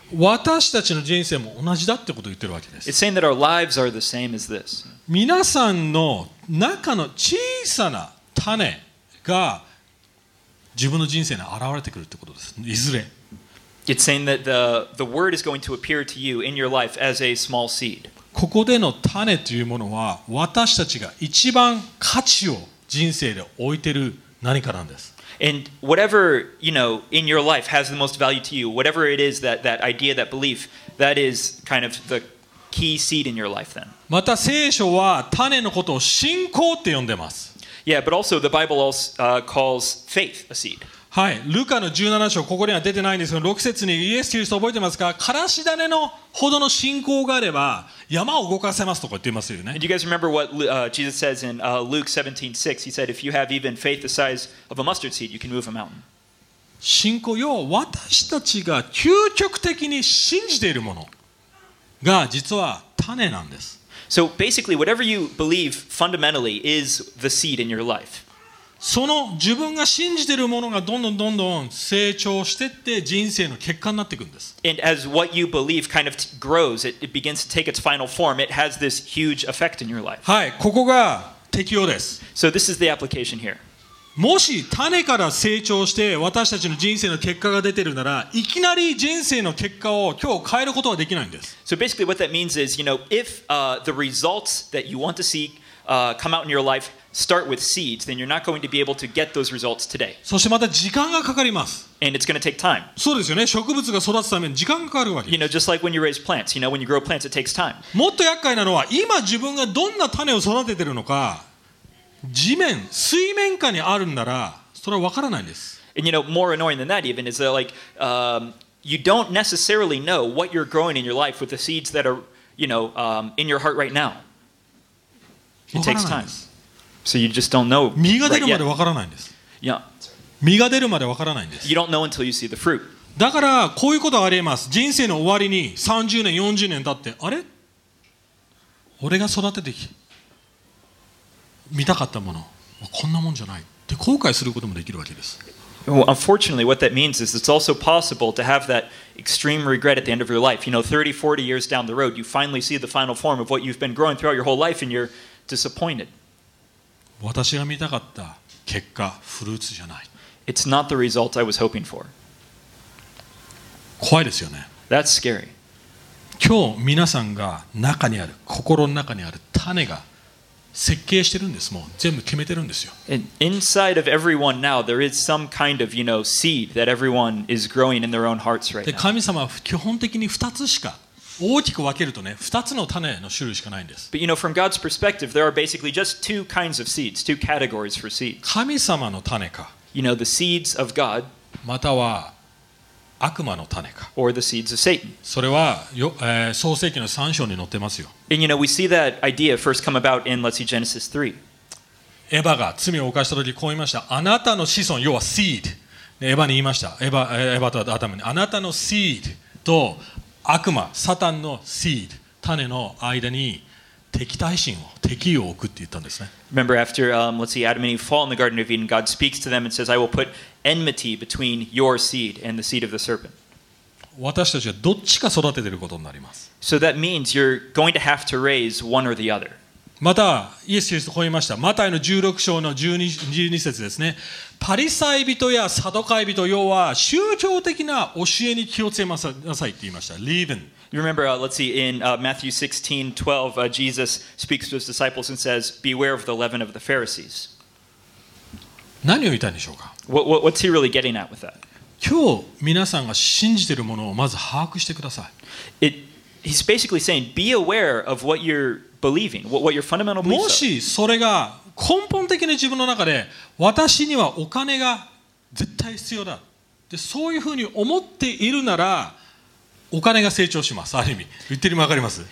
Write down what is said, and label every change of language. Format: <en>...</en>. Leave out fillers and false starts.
<ja>私たちの人生も同じだってことを言ってるわけです。</ja> <en>It's saying that our lives are the same as this.</en> <ja>皆さんの中の小さな種が自分の人生に現れてくるってことです。いずれ。</ja> <en>It's saying that the word is going to appear to you in your life as a small seed.</en> <ja>ここでの種というものは私たちが一番価値を人生で置いてる何かなんです。</ja> <en>And whatever you know in your life has the most value to you, whatever it is that idea, that belief, that is kind of the key seed in your life then.</en> <ja>また聖書は種のことを信仰って呼んでます。</ja> <en>Yeah, but also the Bible also calls faith a seed.</en> <ja>はい、ルカの17章ここには出てないんですけど、6節にイエス・キリスト覚えてますか？からし種のほどの信仰があれば山を動かせますとか言ってますよね。</ja> <en>Do you guys remember what Jesus says in Luke 17:6? He said, "If you have even faith the size of a mustard seed, you can move a mountain."</en> <ja>信仰、要は私たちが究極的に信じているものが実は種なんです。</ja> <en>So basically, whatever you believe fundamentally is the seed in your life.</en> <ja>その自分が信じているものがどんどんどんどん成長してって人生の結果になっていくんです。</ja> <en>And as what you believe kind of grows, it begins to take its final form. It has this huge effect in your life.</en> <ja>はい、ここが適用です。</ja> <en>So this is the application here.</en> <ja>もし種から成長して私たちの人生の結果が出てるなら、いきなり人生の結果を今日変えることはできないんです。</ja> <en>So basically what that means is, you know, if the results that you want to see come out in your life, start with seeds, then you're not going to be able to get those results today.</en> <ja>そしてまた時間がかかります。</ja> <en>And it's going to take time.</en> <ja>そうですよね。植物が育つために時間がかかるわけ。</ja> <en>You know, just like when you raise plants, you know, when you grow plants, it takes time.</en> <ja>もっと厄介なのは、今自分がどんな種を育ててるのか、地面、水面下にあるんなら、それはわからないんです。</ja> <en>And you know, more annoying than that even is that like, you don't necessarily know what you're growing in your life with the seeds that are, you know, in your heart right now. It takes time. So you just don't know.</en> <ja>実が出るまでわからないんです。</ja> <en>Yeah.</en> <ja>実が出るまでわからないんです。</ja> <en>You don't know until you see the fruit.</en> <ja>だからこういうことがあります。人生の終わりに30年、40年経って、あれ？俺が育てて見たかったもの、こんなもんじゃないって後悔することもできるわけです。</ja> <en>Well, unfortunately, what that means is it's also possible to have that extreme regret at the end of your life. You know, 30, 40 years down the road, you finally see the final form of what you've been growing throughout your whole life and you're disappointed.</en> <ja>私が見たかった結果、フルーツじゃない。</ja> <en>It's not the result I was hoping for.</en> <ja>怖いですよね。</ja> <en>That's scary.</en> <ja>今日皆さんが中にある、心の中にある種が設計してるんです。もう全部決めてるんですよ。</ja> <en>And inside of everyone now, there is some kind of, you know, seed that everyone is growing in their own hearts right now.</en> <ja>神様は基本的に2つしか、大きく分けるとね、2つの種の種類しかないんです。</ja> <en>But you know, from God's perspective, there are basically just two kinds of seeds, two categories for seeds.</en> <ja>神様の種か。</ja> <en>You know, the seeds of God.</en> <ja>または悪魔の種か。</ja> <en>Or the seeds of Satan.</en> <ja>それは、創世記の3章に載ってますよ。</ja> <en>And you know, we see that idea first come about in, let's see, Genesis 3.</en> <ja>エヴァが罪を犯したときこう言いました。あなたの子孫、要は seed。エヴァに言いました。エヴァとアダムに。あなたの seed と悪魔、サタンの seed、種の間に敵対心を、敵意を置くって言ったんですね。</ja> <en>Remember after, let's see, Adam and Eve fall in the Garden of Eden, God speaks to them and says, I will put enmity between your seed and the seed of the serpent.</en> <ja>私たちはどっちか育ててることになります。</ja> <en>So that means you're going to have to raise one or the other.</en> <ja>また、イエス・キリストこう言いました。マタイの16章の 12節ですね。パリサイ人やサドカイ人、要は宗教的な教えに気をつけなさいって言いました。</ja> <en>Leaven。 You remember, let's see, in Matthew 16:12, Jesus speaks to his disciples and says, Beware of the leaven of the Pharisees.</en> <ja>何を言いたいんでしょうか</ja> <en>What's he really getting at with that?</en> <ja>今日皆さんが信じているものをまず把握してください。</ja> <en>He's basically saying, be aware of what you're believing, what your fundamental beliefs are.</en> <ja>もしそれが根本的に自分の中で、私にはお金が絶対必要だ。で、そういうふうに思っているなら、お金が成長します。ある意味。言ってるのわかります。</ja>